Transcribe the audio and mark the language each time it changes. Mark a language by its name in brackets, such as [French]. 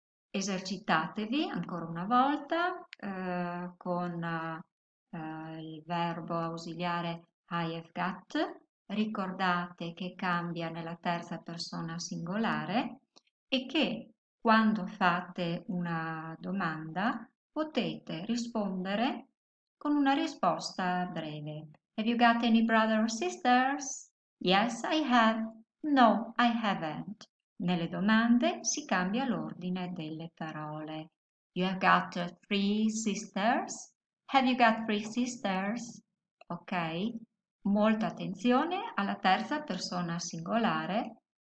[Italian] Esercitatevi ancora una volta con il verbo ausiliare [English] I have got. [Italian] Ricordate che cambia nella terza persona singolare e che quando fate una domanda potete rispondere con una risposta breve. [English] Have you got any brother or sisters? Yes, I have. No, I haven't. [Italian] Nelle domande si cambia l'ordine delle parole. [English] You have got three sisters? Have you got three sisters? [Italian] Ok, molta attenzione alla terza persona singolare.